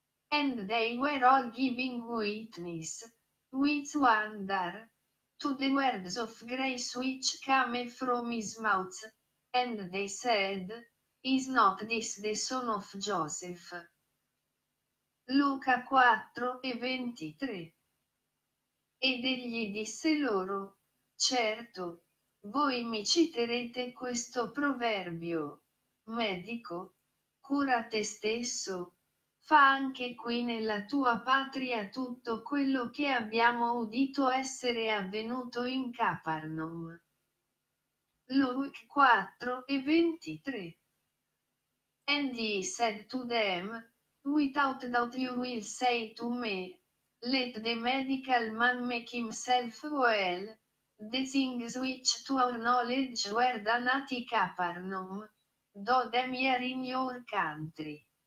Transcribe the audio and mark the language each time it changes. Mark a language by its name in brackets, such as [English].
[English] And they were all giving witness, with wonder, to the words of grace which came from his mouth, and they said, is not this the son of Joseph? [Italian] Luca 4:23. Ed egli disse loro, certo, voi mi citerete questo proverbio. Medico, cura te stesso, fa anche qui nella tua patria tutto quello che abbiamo udito essere avvenuto in Capernaum. [English] Luke 4:23. And he said to them, without doubt you will say to me, let the medical man make himself well, the things which to our knowledge were done at Capernaum, do them here in your country.